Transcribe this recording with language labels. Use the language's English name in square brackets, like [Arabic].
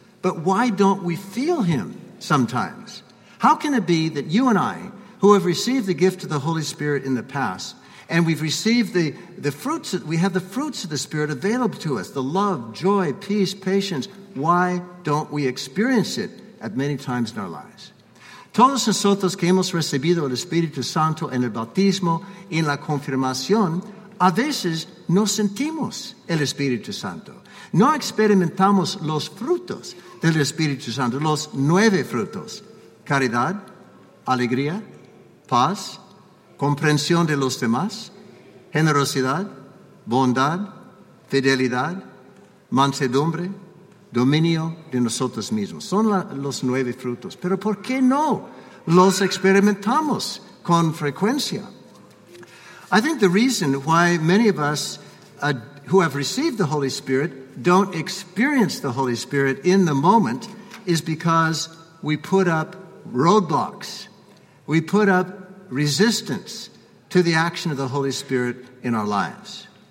[English] But why don't we feel him sometimes? How can it be that you and I, who have received the gift of the Holy Spirit in the past, and we've received the fruits of the Spirit available to us, the love, joy, peace, patience, why don't we experience it at many times in our lives? [Spanish] Todos nosotros que hemos recibido el Espíritu Santo en el bautismo y en la confirmación, a veces no sentimos el Espíritu Santo. No experimentamos los frutos del Espíritu Santo, los 9 frutos. Caridad, alegría, paz, comprensión de los demás, generosidad, bondad, fidelidad, mansedumbre, dominio de nosotros mismos. Son los 9 frutos. Pero ¿por qué no los experimentamos con frecuencia? [English] I think the reason why many of us who have received the Holy Spirit don't experience the Holy Spirit in the moment is because we put up roadblocks. We put up resistance to the action of the Holy Spirit in our lives.